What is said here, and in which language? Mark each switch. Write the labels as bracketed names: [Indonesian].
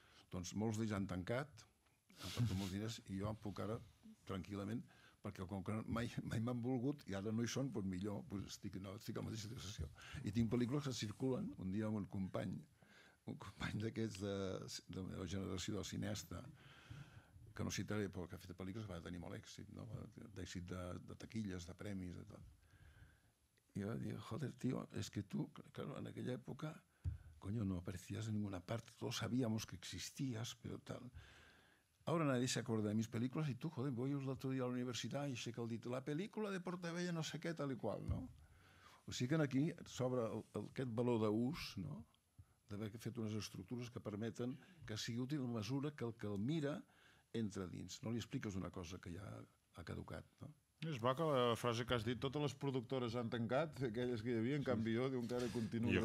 [Catalan] Doncs molts d'ells han tancat, han perdut molts diners, i jo puc ara tranquil·lament, perquè com que mai m'han volgut, i ara no hi són, doncs millor, doncs estic a la mateixa situació. I tinc pel·lícules que circulen, un dia amb un company d'aquests de la meva generació del cinesta, que no citaré, però que ha fet pel·lícules que va tenir molt èxit, no? D'èxit de taquilles, de premis, de tot. I jo dic, joder, tio, és que tu, clar, en aquella època, [Spanish] coño, no aparecías en ninguna parte, todos sabíamos que existías, pero tal. Ahora nadie se acuerda de mis películas y tú, joder, voy el otro día a la universidad y [Catalan] aixeca el dit, [Spanish] la película de Portavella no sé qué, tal y cual, no? [Catalan] O sigui que aquí s'obre aquest valor d'ús, no?, d'haver fet unes estructures que permeten que sigui útil a mesura que el que el mira entra dins. No li expliques una cosa que ja ha caducat, no? És bo que la frase que has dit, totes les productores han tancat, aquelles que hi havia, en canvi jo, diu, encara continuen.